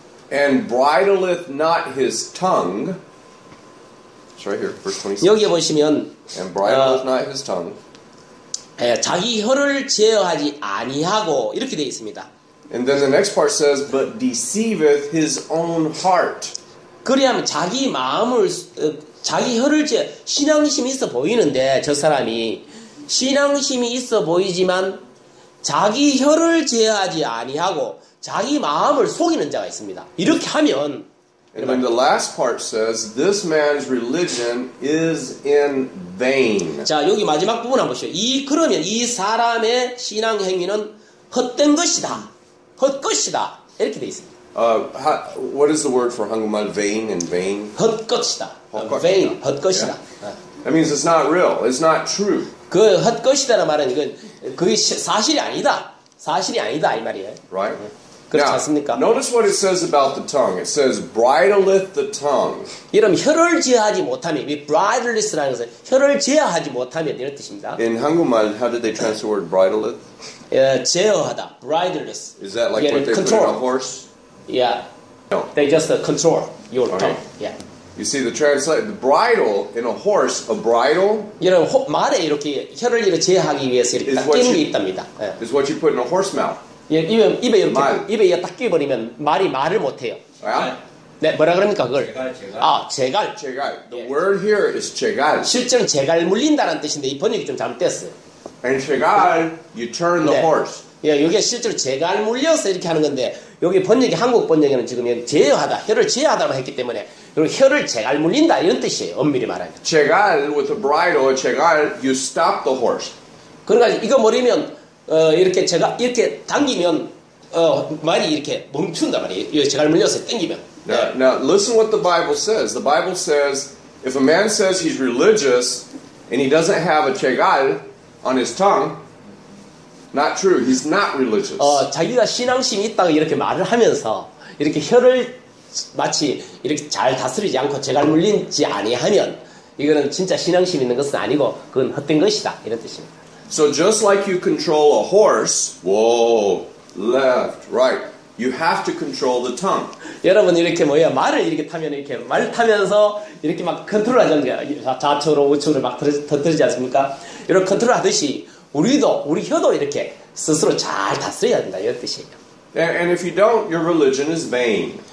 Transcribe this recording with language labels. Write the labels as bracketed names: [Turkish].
[English] And bridleth not his tongue. It's right here, verse 26. [Korean] 여기 보시면 [English] And bridleth not his tongue. [Korean] 예, 자기 혀를 제어하지 아니하고 이렇게 되어 있습니다. [English] And then the next part says, but deceiveth his own heart. [Korean] 그리하면 자기 마음을 자기 혀를 제어 신앙심이 있어 보이는데 저 사람이 신앙심이 있어 보이지만 자기 혀를 제어하지 아니하고 자기 마음을 속이는 자가 있습니다. 이렇게 하면 [English] And then the last part says, this man's religion is in vain. [Korean] 자, 여기 마지막 부분 한번 보시죠. 그러면 이 사람의 신앙 행위는 헛된 것이다. 헛것이다. 이렇게 돼 있습니다. [English] What is the word for 한국말 vain and vain? [Korean] 헛것이다. Vain, 헛것이다. [English] Yeah. That means it's not real. It's not true. [Korean] 그 헛것이다라는 말은 이건 그게 사실이 아니다. 사실이 아니다 이 말이에요. [English] Right. [Korean] 그렇지 않습니까? [English] Now, notice what it says about the tongue. It says bridleth the tongue. [Korean] 이러면 혀를 제어하지 못하면 이 bridleth라는 것은 혀를 제어하지 못하면 이런 뜻입니다. [English] In 한국말, how did they translate the word bridleth? [Korean] 제어하다. Bridleth. [English] Is that like what they control. Put on a horse? Yeah. No. They just control your tongue. Right. Yeah. You see the translation, the bridle in a horse, a bridle. [Korean] 여러분, 말에 이렇게 혀를 이렇게 제어하기 위해서 이렇게 끼는 게 있답니다. [English] Is what you put in a horse mouth. [Korean] 예, 입에 이렇게 말. 입에 이렇게 딱 끼워버리면 말이 말을 못해요. 네, 뭐라 그럽니까 그걸? 제갈. 아, 제갈. [English] 제갈. The word here is 제갈. [Korean] 실제는 제갈 물린다는 뜻인데 이 번역이 좀 잘못됐어요. [English] And 제갈, you turn the horse. [Korean] 예, 이게 실제로 제갈 물려서 이렇게 하는 건데 여기 번역이 한국 번역에는 지금 제어하다, 혀를 제어하다고 했기 때문에 그리고 혀를 제갈 물린다 이런 뜻이에요, 엄밀히 말하면. [English] 제갈 with a bridle, 제갈, you stop the horse. [Korean] 그러니까 이거 물리면 이렇게 제가 이렇게 당기면 말이 이렇게 멈춘단 말이에요. 제갈 물려서 당기면. [English] Now listen what the Bible says. The Bible says if a man says he's religious and he doesn't have a 제갈 on his tongue, not true. He's not religious. [Korean] 자기가 신앙심이 있다고 이렇게 말을 하면서 이렇게 혀를 마치 이렇게 잘 다스리지 않고 제갈 물린지 아니하면 이거는 진짜 신앙심 있는 것은 아니고 그건 헛된 것이다 이런 뜻입니다. [English] So just like you control a horse, whoa, left, right. You have to control the tongue. [Korean] 여러분 이렇게 뭐야 말을 이렇게 타면 이렇게 말 타면서 이렇게 막 컨트롤하는 거야 좌측으로 우측으로 막 터뜨리지 않습니까? 이런 컨트롤하듯이 우리도 우리 혀도 이렇게 스스로 잘 다스려야 된다 이런 뜻이에요. [English] And if you don't, your religion is vain.